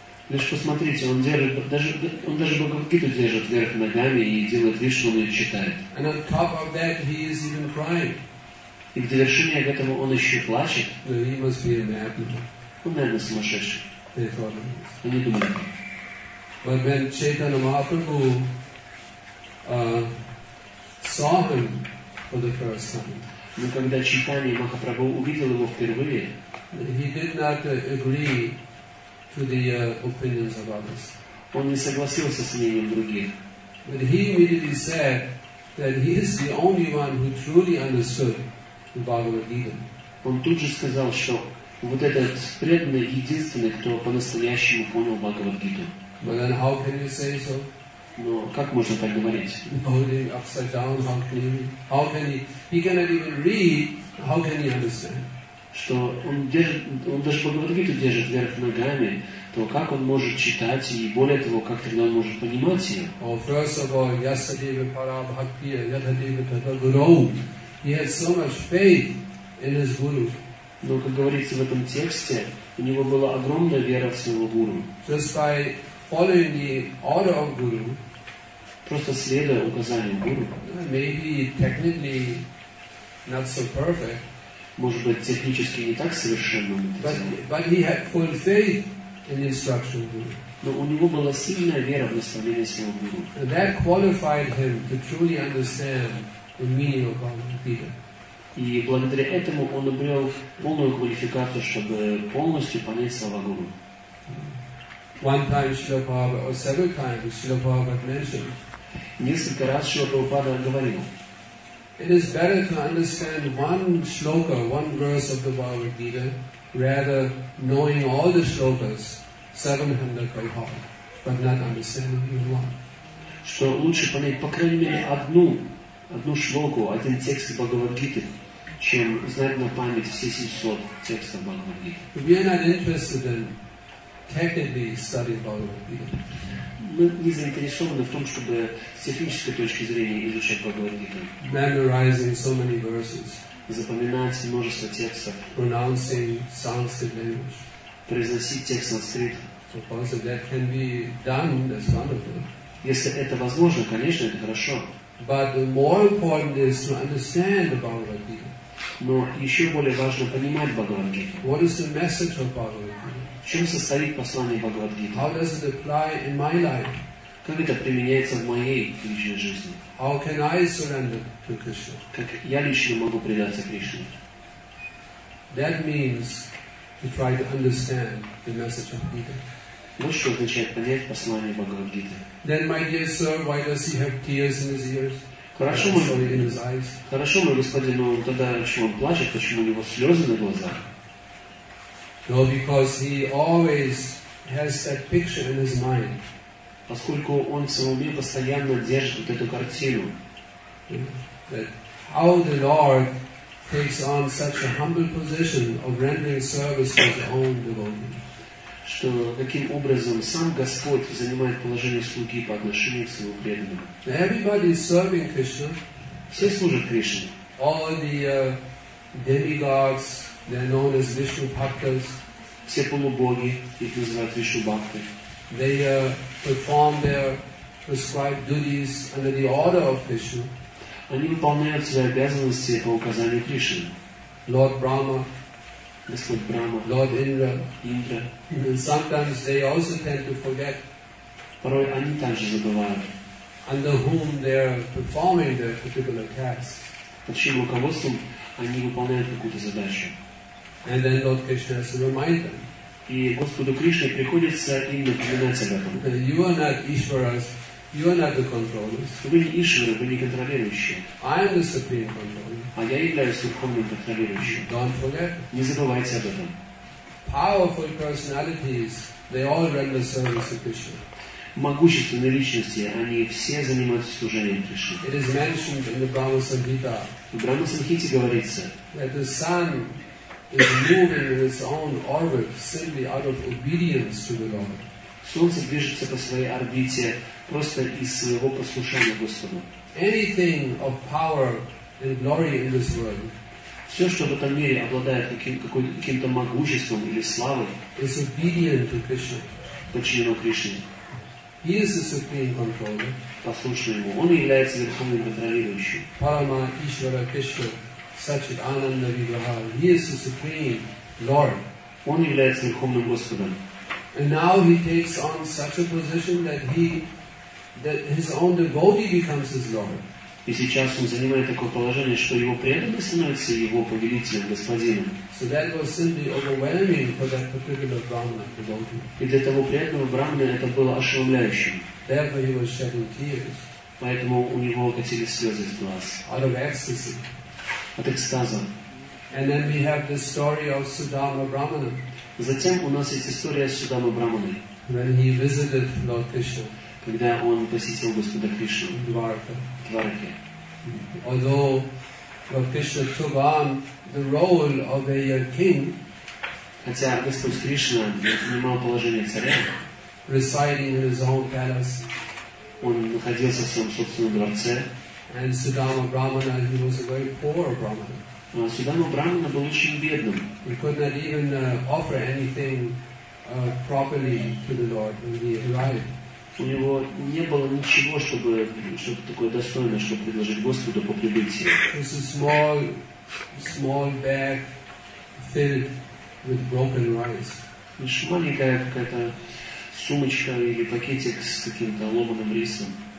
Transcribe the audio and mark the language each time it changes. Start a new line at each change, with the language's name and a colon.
Russian: Лишь посмотрите, он держит, даже Бхагавад-гиту держит вверх ногами и делает вид, что он ее читает.
English: And on top of that, he is even crying.
Russian: И в довершение к этому он еще плачет.
English: So he must be a madman.
Russian: Он, наверное, сумасшедший.
English: They thought he was.
Russian: Они думали.
English: But when Chaitanya Mahaprabhu saw him for the first time,
Russian: но когда Чайтанья Махапрабху увидел его впервые,
English: he did not agree to the opinions of others.
Russian: Он не согласился с мнением других.
English: But he immediately said that he is the only one who truly understood the Bhagavad Gita.
Russian: Он тут же сказал, что вот этот преданный единственный, кто по-настоящему понял Бхагавад Гиту.
English: But then how can you say so?
Russian: Но как можно так говорить?
English: Upside down, how can he? How can he? He cannot even read. How can he understand?
Russian: Что он держит, он даже Бхагавад-гиту держит вверх ногами, то как он может читать и более того, как тогда он может понимать ее?
English: Oh, first of all,
Sanskrit: yasadeva para bhaktiya, yathadeva tata guru.
English: He had so much faith in his guru.
Russian: Но, как говорится в этом тексте, у него была огромная вера в своего гуру.
English: Just by following the order of guru,
Russian: просто следуя указаниям гуру,
English: maybe technically not so perfect,
Russian: может быть, технически не так совершенно,
English: but he had full faith in the instruction of guru.
Russian: Но у него была сильная вера в наставление своего гуру.
English: And that qualified him to truly understand the meaning of Bhagavad Gita.
Russian: И благодаря этому он обрел полную квалификацию, чтобы полностью понять слова гуру.
English: One time Srila Prabhupada, or several times Srila Prabhupada mentioned.
Russian: Несколько раз Srila Prabhupada говорил.
English: It is better to understand one shloka, one verse of the Bhagavad Gita, rather knowing all the shlokas, 700 by heart, but not understanding even one.
Russian: Что лучше понять, по крайней мере, одну шлоку, один текст Бхагавад Гиты, чем знать на память все 700 текстов Бхагавад Гиты.
English: We are not interested in technically studying Bhagavad Gita.
Russian: Мы не заинтересованы в том, чтобы с технической точки зрения изучать Бхагавад Гиту.
English: Memorizing so many verses.
Russian: Запоминать множество текстов.
English: Pronouncing Sanskrit language.
Russian: Произносить текст санскрит.
English: Suppose that can be done, that's wonderful.
Russian: Если это возможно, конечно, это хорошо.
English: But the more important is to understand the Bhagavad Gita.
Russian: Но еще более важно понимать Бхагавад Гиту.
English: What is the message of Bhagavad Gita?
Russian: В чем состоит послание Бхагавад Гиты?
English: How does it apply in my life?
Russian: Как это применяется в моей личной жизни?
English: How can I surrender to Krishna?
Russian: Как я лично могу предаться Кришне?
English: That means to try to understand the message of Gita.
Russian: Вот что означает понять послание Бхагавад Гиты.
English: Then, my dear sir, why does he have tears in his ears?
Russian: Хорошо, хорошо, мой господин, но тогда почему он плачет? Почему у него слезы на глазах?
English: No, because he always has that picture in his mind.
Russian: Поскольку он в своем уме постоянно держит вот эту картину.
English: That how the Lord takes on such a humble position of rendering service to his own devotees.
Russian: Что каким образом сам Господь занимает положение слуги по отношению к своему преданному.
English: Everybody is serving Krishna.
Russian: Все служат Кришне.
English: All the demigods, they are known as Vishnu Bhaktas.
Russian: Все полубоги, их называют Вишну Бхакты.
English: They perform their prescribed duties under the order of Krishna.
Russian: Они выполняют свои обязанности по указанию Кришны.
English: Lord Brahma.
Russian: Господь Брама.
English: Lord Indra.
Russian: Indra.
English: And sometimes they also tend to forget.
Russian: Порой они также забывают.
English: Under whom they are performing their particular task.
Russian: Под чьим руководством они выполняют какую-то задачу.
English: And then Lord Krishna has to remind them.
Russian: И Господу Кришне приходится им напоминать об этом.
English: You are not Ishwaras, you are not the controllers.
Russian: Вы не Ishwara, вы не контролирующие.
English: I am the supreme controller.
Russian: А я являюсь верховным контролирующим.
English: Don't forget.
Russian: Не забывайте об этом.
English: Powerful personalities, they all render service to Krishna.
Russian: Могущественные личности, они все занимаются служением Кришне.
English: It is mentioned in the Brahma Samhita.
Russian: В Брахма Самхите говорится.
English: That the sun is moving in its own orbit simply out of obedience to the Lord.
Russian: Солнце движется по своей орбите просто из своего послушания Господу.
English: Anything of power and glory in this world.
Russian: Все, что в этом мире обладает каким-то могуществом или славой,
English: is obedient to Krishna.
Russian: Подчинено Кришне.
English: He is the supreme controller.
Russian: Послушно ему. Он является верховным контролирующим.
Sanskrit: Parama Ishvara Krishna Sachit Ananda Vigraha.
English: He is the supreme Lord.
Russian: Он является верховным Господом.
English: And now he takes on such a position that he, that his own devotee becomes his Lord.
Russian: И сейчас он занимает такое положение, что его преданный становится его повелителем, господином.
English: So that was simply overwhelming for that particular Brahmana devotee.
Russian: И для того преданного Брахмана это было ошеломляющим.
English: Therefore he was shedding tears.
Russian: Поэтому у него катились слезы из глаз.
English: Out of ecstasy.
Russian: От экстаза.
English: And then we have the story of Sudama Brahmana.
Russian: Затем у нас есть история с Судама Брахманой.
English: When he visited Lord Krishna.
Russian: Когда он посетил Господа Кришну.
English: Dwarka.
Russian: Dwarka.
English: Although Lord Krishna took on the role of a king,
Russian: хотя Господь Кришна занимал положение царя,
English: residing in his own palace,
Russian: он находился в своем собственном дворце,
English: and Sudama Brahmana, he was a very poor Brahmana.
Russian: Sudama Brahmana был очень бедным.
English: He could not even offer anything properly to the Lord when he arrived.
Russian: У него не было ничего, чтобы что-то такое достойное, чтобы предложить Господу по прибытии.
English: This is small, small bag filled with broken rice.
Russian: Лишь маленькая какая-то сумочка или пакетик с каким-то ломаным рисом.